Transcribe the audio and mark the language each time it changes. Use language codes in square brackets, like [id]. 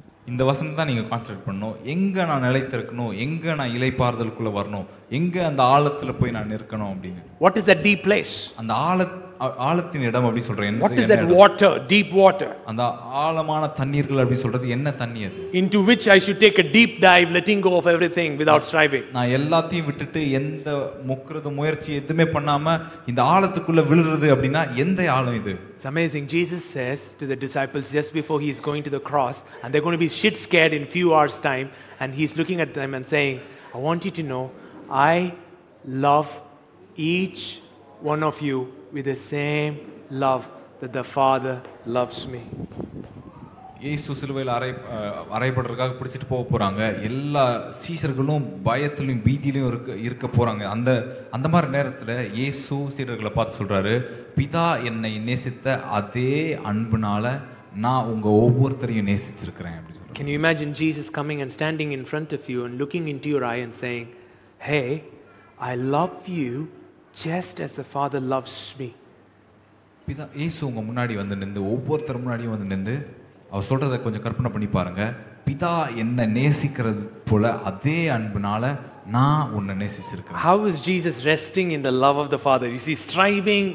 [ta] இந்த வசனம் தான் நீங்க கான்சென்ட் பண்ணணும். எங்க நான் நிலைத்திருக்கணும், எங்க நான் இலைப்பாறுதலுக்குள்ள வரணும், எங்க அந்த ஆழத்துல போய் நான் நிற்கணும் அப்படின்னு. [en] What is that deep place? [ta] அந்த ஆழத்தின் இடம் அப்படி சொல்றேன். [en] What is that water? Deep water. [ta] அந்த ஆழமான தண்ணீர்கள் அப்படி சொல்றது என்ன தண்ணீர்? [en] Into which I should take a deep dive, letting go of everything without striving. [ta] நான் எல்லாத்தையும் விட்டுட்டு எந்த முக்கிறது முயற்சி எதுமே பண்ணாம இந்த ஆழத்துக்குள்ள விழுறது அப்படினா எந்த ஆழம் இது? [en] It's amazing. Jesus says to the disciples just before he is going to the cross, and they're going to be shit scared in few hours time, and he's looking at them and saying, I want you to know, I love each one of you with the same love that the Father loves me. [ta] இயேசு சிலுவையில் அறையப்படுறதுக்காக பிடிச்சிட்டு போக போகிறாங்க. எல்லா சீஷர்களும் பயத்திலையும் பீதியிலையும் இருக்க போகிறாங்க. அந்த அந்த மாதிரி நேரத்தில் இயேசு சீஷர்களை பார்த்து சொல்கிறாரு, பிதா என்னை நேசித்த அதே அன்பினால் நான் உங்கள் ஒவ்வொருத்தரையும் நேசிச்சிருக்கிறேன் அப்படின்னு. [en] Can you imagine Jesus coming and standing in front of you and looking into your eye and saying, hey, I love you just as the Father loves me. [ta] பிதா இயேசு உங்கள் முன்னாடி வந்து நின்று, ஒவ்வொருத்தர் முன்னாடியும் வந்து நின்று அவர் சொல்றதை கொஞ்சம் கற்பனை பண்ணி பாருங்க. பிதா என்னை நேசிக்கிறது போல அதே அன்பினால நான் உன்னை நேசிச்சிருக்கேன். [en] How is Jesus resting in the love of the Father? Is he striving?